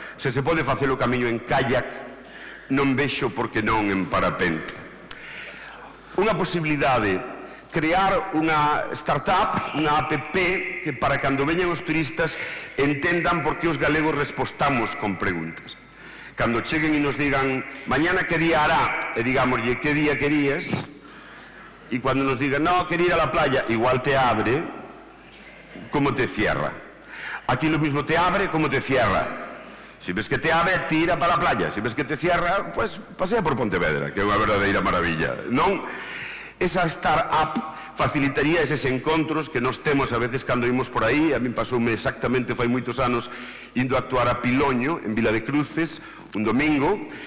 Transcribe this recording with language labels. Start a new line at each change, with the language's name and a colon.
Galician: Se se pode facer o camiño en kayak, non vexo porque non en parapente. Unha posibilidade, crear unha startup, unha app, que para cando veñan os turistas entendan por que os galegos respostamos con preguntas. Cando cheguen e nos digan,
Spanish: mañana que día hará,
Galician: e digámoslle, que día querías, e cando nos digan,
Spanish: no, quería ir a la playa, igual te abre, como te cierra. Aquí lo mismo te abre, como te cierra. Si ves que te abre, tira para la playa. Si ves que te cierra, pues pasea por Pontevedra,
Galician: que é unha verdadeira maravilla. Non, esa startup facilitaría eses encontros que nos temos a veces cando imos por aí. A min pasoume exactamente fai moitos anos indo a actuar a Piloño, en Vila de Cruces, un domingo.